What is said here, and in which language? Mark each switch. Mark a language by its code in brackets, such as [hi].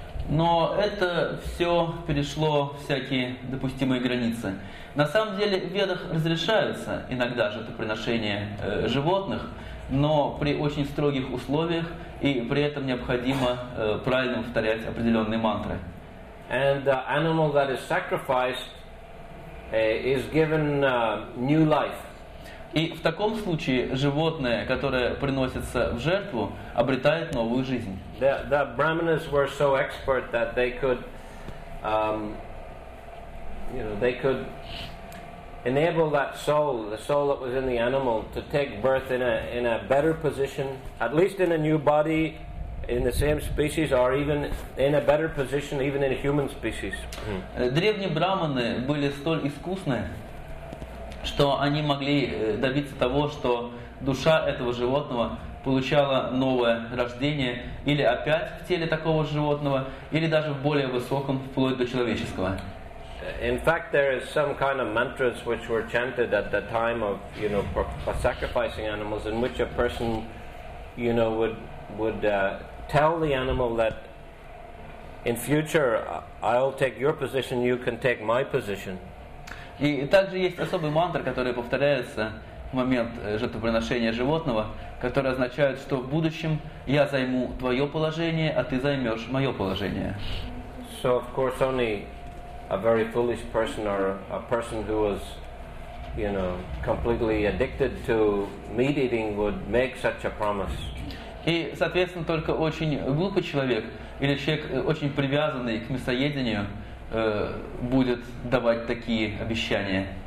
[ru] Но это все перешло всякие допустимые границы. На самом деле в Ведах разрешаются иногда жертвоприношения животных, но при очень строгих условиях, и при этом необходимо правильно повторять определенные мантры. [en] And the animal that is sacrificed is given new life. [ru] И в таком случае животное, которое приносится в жертву, обретает новую жизнь. [en] The brahmanas were so expert that they could, you know, they could enable that soul, the soul that was in the animal, to take birth in a better position, at least in a new body, in the same species, or even in a better position, even in a human species. [ru] Древние брахманы были столь искусны, что они могли добиться того, что душа этого животного получала новое рождение или опять в теле такого животного, или даже в более высоком, вплоть до человеческого. [en] In fact, there is some kind of mantras which were chanted at the time of, you know, for sacrificing animals, in which a person, you know, would tell the animal that in future I'll take your position, you can take my position. [ru] И также есть особый мантра, который повторяется в момент жертвоприношения животного, который означает, что в будущем я займу твое положение, а ты займешь мое положение. [en] So of course only a very foolish person or a person who was, you know, completely addicted to meat eating would make such a promise. [ru] И, соответственно, только очень глупый человек или человек, очень привязанный к мясоедению, будет давать такие обещания.